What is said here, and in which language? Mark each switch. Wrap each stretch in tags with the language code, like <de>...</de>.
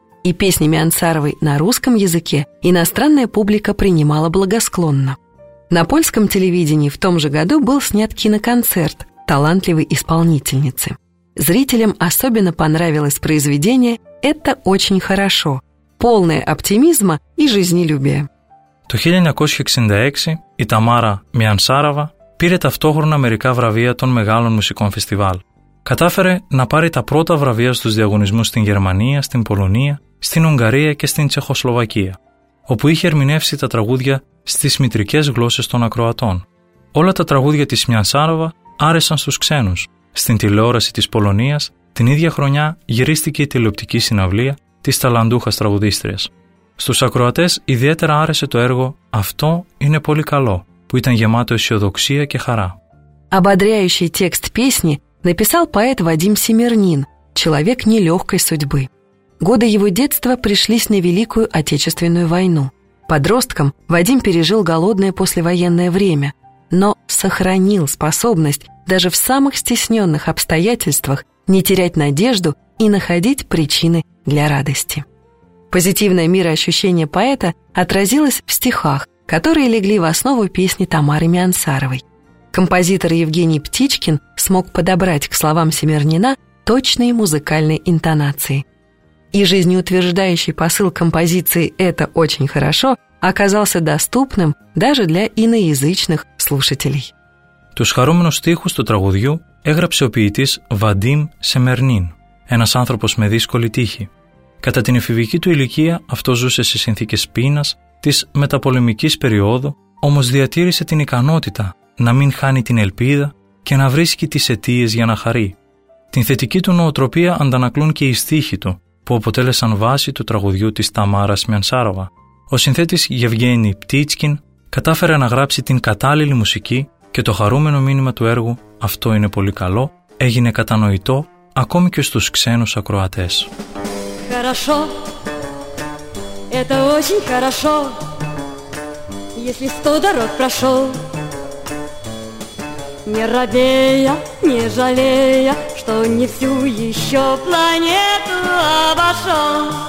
<ru>И песни Миансаровой на русском языке иностранная публика принимала благосклонно. На польском телевидении в том же году был снят киноконцерт талантливой исполнительницы. Зрителям особенно понравилось произведение «Это очень хорошо», полное оптимизма и жизнелюбия.</ru> <el>Το 1966 η Тамара Миансарова πήρε ταυτόχρονα μερικά βραβεία των μεγάλων μουσικών φεστιβάλ. Κατάφερε να πάρει τα πρώτα βραβεία στους διαγωνισμούς στην Γερμανία, στην Πολωνία, στην Ουγγαρία και στην Τσεχοσλοβακία, όπου είχε ερμηνεύσει τα τραγούδια στις μητρικές γλώσσες των ακροατών. Όλα τα τραγούδια της Μιανσάροβα άρεσαν στους ξένους. Στην τηλεόραση της Πολωνίας, την ίδια χρονιά γυρίστηκε η τηλεοπτική συναυλία της ταλαντούχας τραγουδίστριας. Στους ακροατές ιδιαίτερα άρεσε το έργο «Αυτό είναι πολύ καλό», που ήταν γεμάτο αισιοδοξία και χαρά.</el> <ru>Ободряющий текст песни написал поэт Вадим Семернин, человек нелегкой судьбы. Годы его детства пришлись на Великую Отечественную войну. Подростком Вадим пережил голодное послевоенное время, но сохранил способность даже в самых стесненных обстоятельствах не терять надежду и находить причины для радости. Позитивное мироощущение поэта отразилось в стихах, которые легли в основу песни Тамары Миансаровой. Композитор Евгений Птичкин смог подобрать к словам Семернина точные музыкальные интонации. И жизнеутверждающий посыл композиции «Это очень хорошо» оказался доступным даже для иноязычных слушателей.</ru> <el>Τους χαρούμενους στίχους του τραγουδιού έγραψε ο ποιητής Βαντίμ Σεμερνίν, ένας άνθρωπος με δύσκολη τύχη. Κατά την εφηβική του ηλικία αυτό ζούσε σε συνθήκες πείνας της μεταπολεμικής περιόδου, όμως διατήρησε την ικανότητα να μην χάνει την ελπίδα και να βρίσκει τις αιτίες για να χαρεί. Την θετική του νοοτροπία αντανακλούν και οι στίχοι του, που αποτέλεσαν βάση του τραγουδιού της Ταμάρας Μιανσάροβα. Ο συνθέτης Γευγένη Πτίτσκιν κατάφερε να γράψει την κατάλληλη μουσική και το χαρούμενο μήνυμα του έργου «Αυτό είναι πολύ καλό» έγινε κατανοητό ακόμη και στους ξένους ακροατές.</el> <ru>Хорошо, это очень хорошо, если сто дорог прошел. Не робея, не жалея, что не всю еще планету обошел.</ru>